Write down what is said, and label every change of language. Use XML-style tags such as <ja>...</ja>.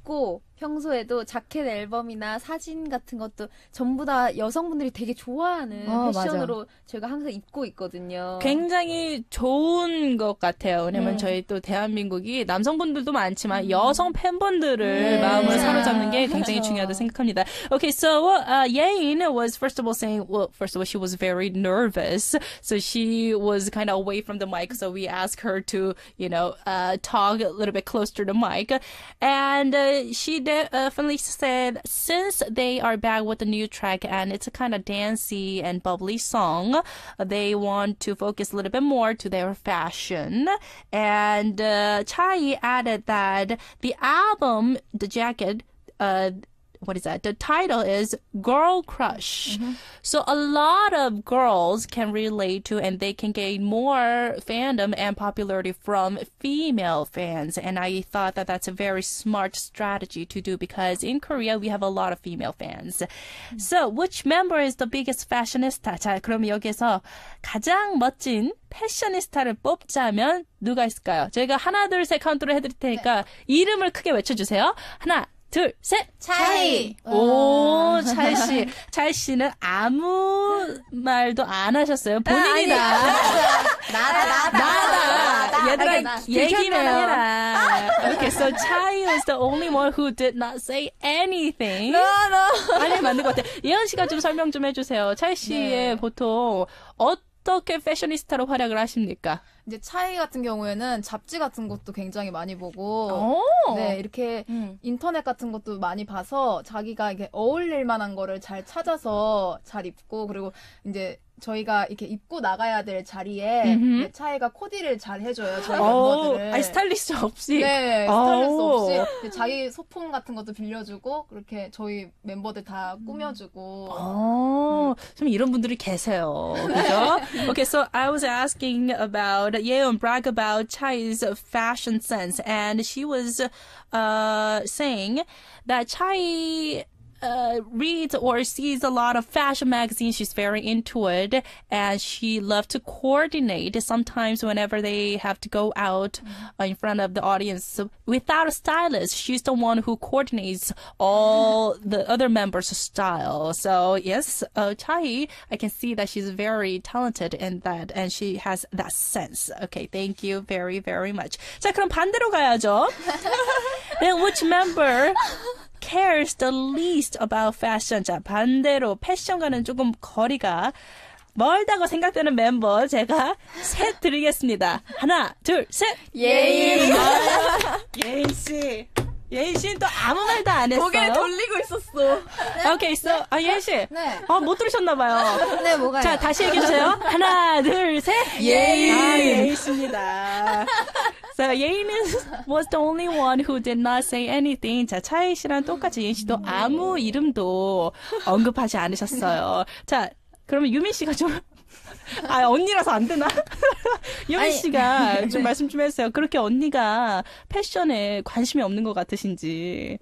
<ko>있고 평소에도 자켓 앨범이나 사진 같은 것도 전부 다 여성분들이 되게 좋아하는 패션으로 맞아. 저희가 항상 입고 있거든요. 굉장히 좋은 것 같아요. 왜냐면 저희 또 대한민국이 남성분들도 많지만 여성 팬분들을 마음으로 사로잡는 게 굉장히 중요하다고 생각합니다.</ko> <en>Okay, so Yein was first of all saying, well, first of all, she was very nervous. So she was kind of away from the mic. So we asked her to, you know, talk a little bit closer to the mic. And she definitely said, since they are back with the new track and it's a kind of dancey and bubbly song, they want to focus a little bit more to their fashion. And Chai added that the album, the jacket, what is that? The title is Girl Crush. Mm-hmm. So a lot of girls can relate to and they can gain more fandom and popularity from female fans. And I thought that that's a very smart strategy to do because in Korea, we have a lot of female fans. Mm-hmm. So which member is the biggest fashionista?</en> <ko>자, 그럼 여기서 가장 멋진 패셔니스타를 뽑자면 누가 있을까요? 저희가 하나, 둘, 셋 카운트를 해드릴 테니까 네. 이름을 크게 외쳐주세요. 하나, 둘, 셋! 차이! 오, 차이 씨. 차이 씨는 아무 말도 안 하셨어요. 본인이다. 나다. 얘들아, 얘기만 해라.</ko> <en>Okay, so Chai is the only one who did not say anything. No.</en> <ko>아니, 맞는 것 같아. 예은 씨가 좀 설명 좀 해주세요. 차이 씨의 네. 보통 어떻게 패셔니스타로 활약을 하십니까? 이제 차이 같은 경우에는 잡지 같은 것도 굉장히 많이 보고 네 이렇게 인터넷 같은 것도 많이 봐서 자기가 이게 어울릴 만한 거를 잘 찾아서 잘 입고 그리고 이제 저희가 이렇게 입고 나가야 될 자리에 차이가 코디를 잘 해줘요. 저희 멤버들을. 아니 스타일리스트 없이. 네 스타일리스트 없이 자기 소품 같은 것도 빌려주고 그렇게 저희 멤버들 다 꾸며주고. 좀 이런 분들이 계세요. 그죠?</ko> <en>Okay, so I was asking about Yeon brag about Chai's fashion sense, and she was saying that Chai reads or sees a lot of fashion magazines. She's very into it, and she loves to coordinate sometimes whenever they have to go out in front of the audience without a stylist. She's the one who coordinates all the other members' style. So, yes, Chai, I can see that she's very talented in that, and she has that sense. Okay, thank you very, very much.</en> <ko>자, 그럼 반대로 가야죠.</ko> <en>Then which member cares the least about fashion?</en> <ko>자, 반대로 패션과는 조금 거리가 멀다고 생각되는 멤버 제가 셋 드리겠습니다. 하나, 둘, 셋! 예인! 예인 씨! 예인 씨는 또 아무 말도 안 했어요. 고개를 돌리고 있었어. 네? 오케이, 네? 아, 예인 씨. 네. 아, 못 들으셨나봐요. 네, 뭐가요? 자, 다시 얘기해주세요. 하나, 둘, 셋! 예인! 아, 예인 씨입니다.</ko> <en>So, Yein was the only one who did not say anything.</en> <ko>자, 차이 씨랑 똑같이 예인 씨도 아무 이름도 언급하지 않으셨어요. 자, 그러면 유민 씨가 좀, 아, 언니라서 안 되나? 유민 씨가 좀 말씀 좀 해주세요. 그렇게 언니가 패션에 관심이 없는 것 같으신지.</ko>